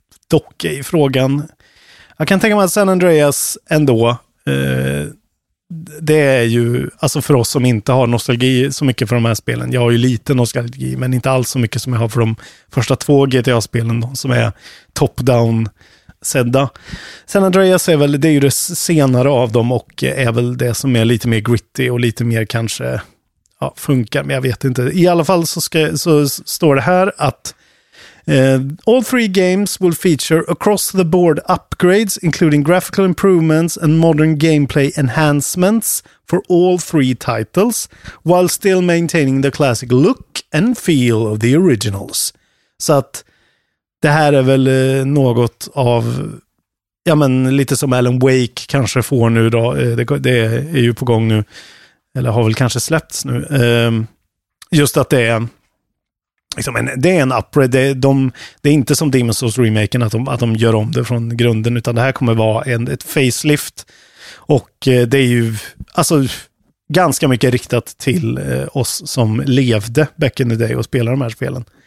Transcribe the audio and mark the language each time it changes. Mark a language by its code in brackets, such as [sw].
[sv] Dock i frågan, jag kan tänka mig att San Andreas ändå, det är ju, alltså för oss som inte har nostalgi så mycket för de här spelen, jag har ju lite nostalgi men inte alls så mycket som jag har för de första två GTA-spelen då, som är top-down sedda. San Andreas är väl, det är ju det senare av dem och är väl det som är lite mer gritty och lite mer kanske, ja, funkar, men jag vet inte. I alla fall så står det här att [en] All three games will feature across-the-board upgrades, including graphical improvements and modern gameplay enhancements for all three titles, while still maintaining the classic look and feel of the originals. [sv] Så att det här är väl något av, ja men lite som Alan Wake kanske får nu då, det är ju på gång nu, eller har väl kanske släppts nu. Just att det är liksom en, det är en upgrade, det är inte som Demon's Souls remaken att de gör om det från grunden, utan det här kommer vara ett facelift, och det är ju alltså ganska mycket riktat till oss som levde [en] back in the day [sv] och spelade de här spelen.